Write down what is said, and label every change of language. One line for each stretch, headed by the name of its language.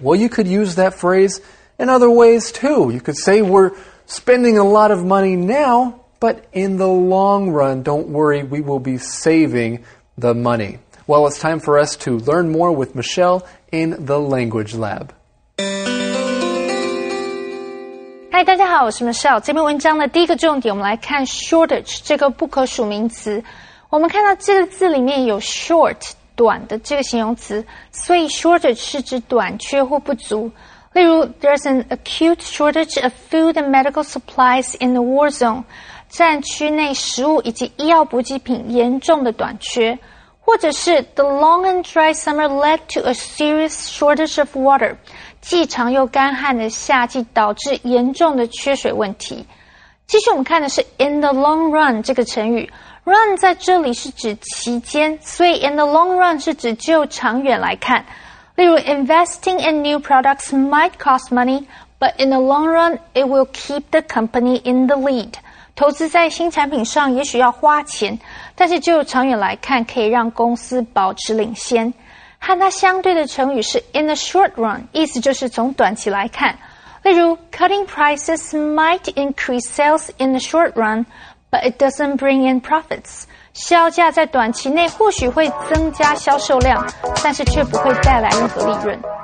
English: Well, you could use that phrase in other ways too. You could say we're spending a lot of money now, but in the long run, don't worry, we will be saving the money. Well, it's time for us to learn more with Michelle in the Language Lab.
Chinese: Hi, 大家好，我是 Michelle。这篇文章的第一个重点，我们来看 shortage 这个不可数名词。我们看到这个字里面有 short 短的这个形容词，所以 shortage 是指短缺或不足。
English: 例如 ，There's an acute shortage of food and medical supplies in the war zone，
Chinese: 战区内食物以及医药补给品严重的短缺。
English: 或者是 The long and dry summer led to a serious shortage of water，
Chinese: 既长又干旱的夏季导致严重的缺水问题。继续我们看的是 in the long run 这个成语， run 在这里是指期间，所以 in the long run 是指就长远来看。
English: 例如 investing in new products might cost money， but in the long run it will keep the company in the lead。
Chinese: 投资在新产品上也许要花钱，但是就长远来看可以让公司保持领先。和它相对的成语是 in the short run, 意思就是从短期来看。
English: 例如 cutting prices might increase sales in the short run, but it doesn't bring in profits.
Chinese: 削价在短期内或许会增加销售量，但是却不会带来任何利润。